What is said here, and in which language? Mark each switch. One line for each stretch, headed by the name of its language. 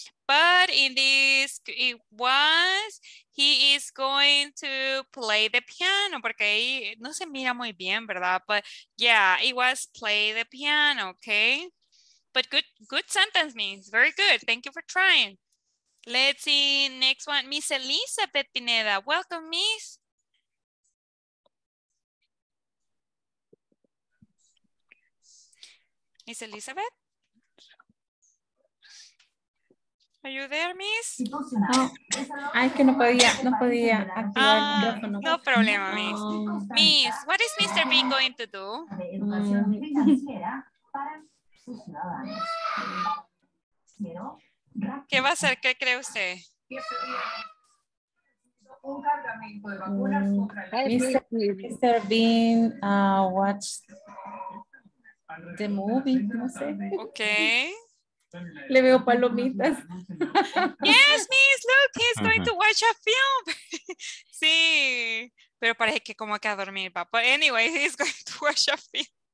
English: But in this, it was, he is going to play the piano.
Spanish: Porque ahí no se mira muy bien, ¿verdad?
English: But yeah, it was play the piano, okay? But good sentence, miss. Very good. Thank you for trying. Let's see, next one. Miss Elizabeth Pineda. Welcome, miss. Miss Elizabeth? Are you there, miss?
Spanish: No. Es que no podía activar el micrófono. No problema,
English: miss. Miss, what is Mr. Bean going to do?
Spanish: ¿Qué va a hacer? ¿Qué cree usted?
English: Mr. Bean, watch the movie,
Spanish: no sé.
English: Okay.
Spanish: Le veo palomitas.
English: Yes, miss, look, he's going to watch a film.
Spanish: Sí, pero parece que como que a dormir, papá.
English: But anyway, he's going to watch a film.